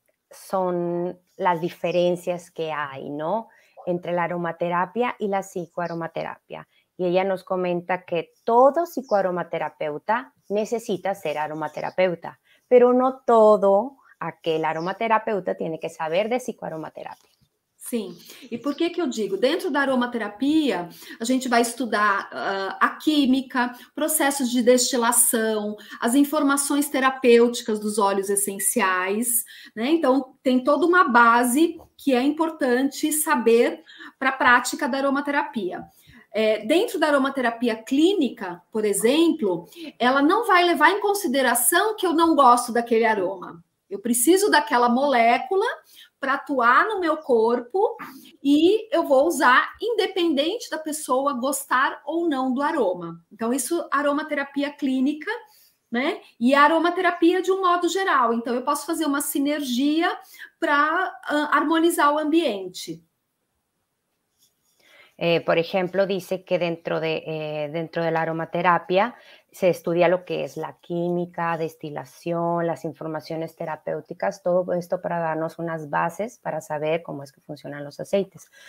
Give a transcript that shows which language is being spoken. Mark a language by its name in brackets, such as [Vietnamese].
[Spanish] son las diferencias que hay, ¿no? Entre la aromaterapia y la psicoaromaterapia. Y ella nos comenta que todo psicoaromaterapeuta necesita ser aromaterapeuta, pero no todo aquel aromaterapeuta tiene que saber de psicoaromaterapia. [Portuguese] Sim, e por que que eu digo? Dentro da aromaterapia, a gente vai estudar a química, processos de destilação, as informações terapêuticas dos óleos essenciais, né? Então, tem toda uma base que é importante saber para a prática da aromaterapia. É, dentro da aromaterapia clínica, por exemplo, ela não vai levar em consideração que eu não gosto daquele aroma. Eu preciso daquela molécula para atuar no meu corpo e eu vou usar independente da pessoa gostar ou não do aroma. Então, isso aromaterapia clínica, né? E aromaterapia de um modo geral. Então, eu posso fazer uma sinergia para harmonizar o ambiente. [Spanish] Por exemplo, diz que dentro de la aromaterapia se estudia lo que es la química, destilación, las informaciones terapéuticas, todo esto para darnos unas bases para saber cómo es que funcionan los aceites.